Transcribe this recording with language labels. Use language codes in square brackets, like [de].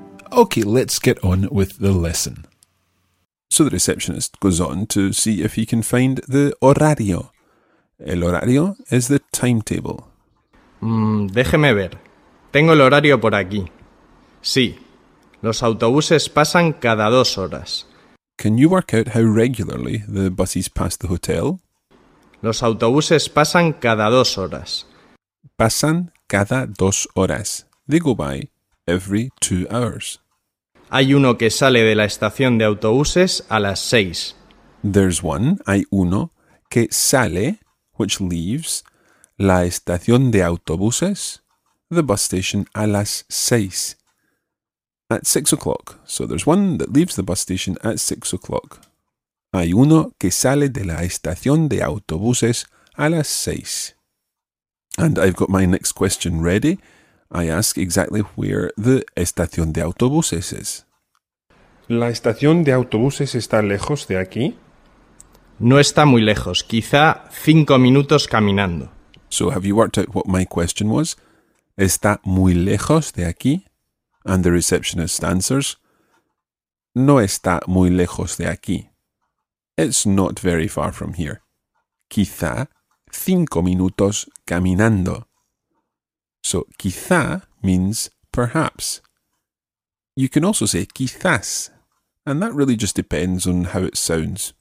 [en] Okay, let's get on with the lesson. So the receptionist goes on to see if he can find the horario. El horario is the timetable. [es] Déjeme ver. Tengo el horario por aquí. Sí, los autobuses pasan cada dos horas. [en] Can you work out how regularly the buses pass the hotel? [es] Los autobuses pasan cada dos horas. Pasan cada dos horas. [en] They go by every 2 hours. [es] Hay uno que sale de la estación de autobuses a las 6. [en] There's one, [es] hay uno, que sale, [en] which leaves, [es] la estación de autobuses, [en] the bus station, a las 6. At 6 o'clock. So there's one that leaves the bus station at 6 o'clock. [es] Hay uno que sale de la estación de autobuses a las 6. [en] And I've got my next question ready. I ask exactly where the estación de autobuses is. [es] ¿La estación de autobuses está lejos de aquí? No está muy lejos, quizá 5 minutos caminando. [en] So have you worked out what my question was? [es] ¿Está muy lejos de aquí? [en] And the receptionist answers, [es] no está muy lejos de aquí. [en] It's not very far from here. [es] Quizá 5 minutos caminando. [en] So, quizá means perhaps. You can also say quizás, and that really just depends on how it sounds.